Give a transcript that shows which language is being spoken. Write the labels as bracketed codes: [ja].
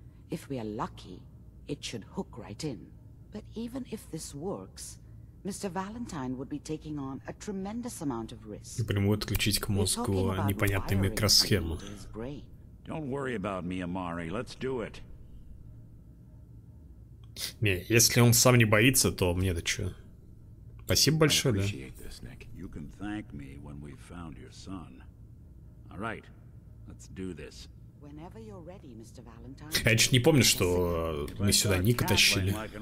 [en] If we are lucky, it should hook right in. But even if this works, Mr. Valentine would be taking on a tremendous amount of risk. [ru] Прямо отключить к мозгу непонятную микросхему. [en] Don't worry about me, Amari. Let's do it. [ru] Не, если он сам не боится, то мне-то что? Спасибо большое, да? [en] This, Nick. You can thank me when we found your son. All right. Let's do this. Whenever you're ready, Mr. Valentine. [ru] Я ещё не помню, что мы сюда Ника тащили.